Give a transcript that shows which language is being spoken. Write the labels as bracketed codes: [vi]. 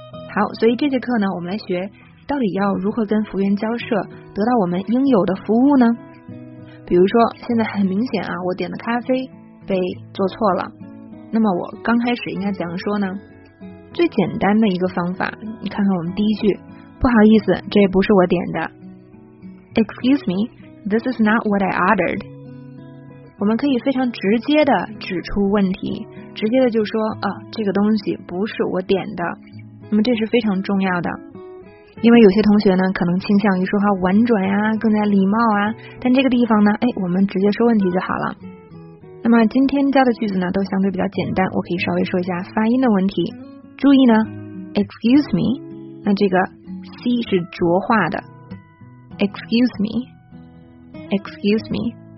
[zh] 好，所以这节课呢，我们来学到底要如何跟服务员交涉，得到我们应有的服务呢？比如说，现在很明显啊，我点的咖啡被做错了。那么我刚开始应该怎样说呢？最简单的一个方法，你看看我们第一句，不好意思，这不是我点的。 [en] Excuse me, this is not what I ordered. [zh] 我们可以非常直接的指出问题，直接的就说啊，这个东西不是我点的。那么这是非常重要的，因为有些同学呢可能倾向于说话婉转呀，更加礼貌啊，但这个地方呢我们直接说问题就好了。那么今天教的句子呢都相对比较简单，我可以稍微说一下发音的问题。注意呢 excuse me， 那这个 c 是浊化的， excuse me， excuse me。